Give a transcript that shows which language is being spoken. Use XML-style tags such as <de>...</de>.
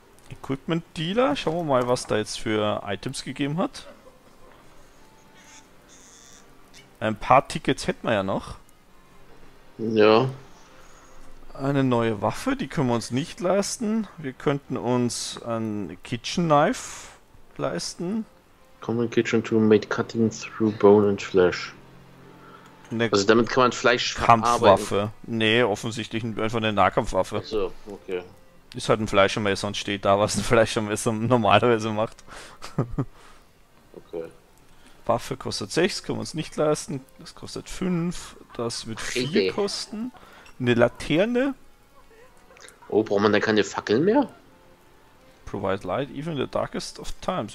<de>Equipment Dealer, schauen wir mal, was da jetzt für Items gegeben hat. Ein paar Tickets hätten wir ja noch. Ja. Eine neue Waffe, die können wir uns nicht leisten. Wir könnten uns ein Kitchen Knife leisten.</de> <en>Common Kitchen Tool made cutting through bone and flesh.</en> <de>Also damit kann man Fleisch verarbeiten. Kampfwaffe. Nee, offensichtlich einfach eine Nahkampfwaffe. Achso, okay. Ist halt ein Fleischermesser und steht da, was ein Fleischermesser normalerweise macht. Okay. Waffe kostet 6, können wir uns nicht leisten. Das kostet 5. Das wird 4 kosten. Eine Laterne. Oh, braucht man da keine Fackeln mehr?</de> <en>Provide light even in the darkest of times.</en>